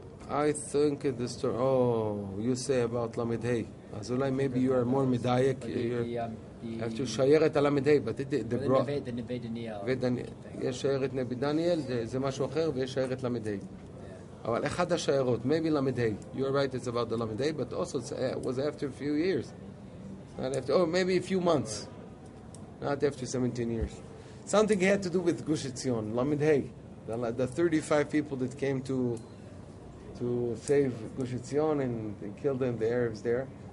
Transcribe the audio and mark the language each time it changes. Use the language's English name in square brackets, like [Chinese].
[English] I think at the story, you say about Lamed Hei. [Hebrew] אז אולי [English] maybe you are more מדייק. After שיירת הלמד הי, but the broth. [Hebrew] נבי דניאל. יש שיירת נבי דניאל, זה משהו אחר, ויש שיירת למד הי. אבל אחד השיירות, [English] maybe [Hebrew] למד הי. [English] You are right, it's about the למד הי, but also it was after a few years. Not after, oh, maybe a few months. Not after 17 years. Something had to do with Gush Etzion, למד הי. The 35 people that came to save Gush Etzion and they killed them, the Arabs there.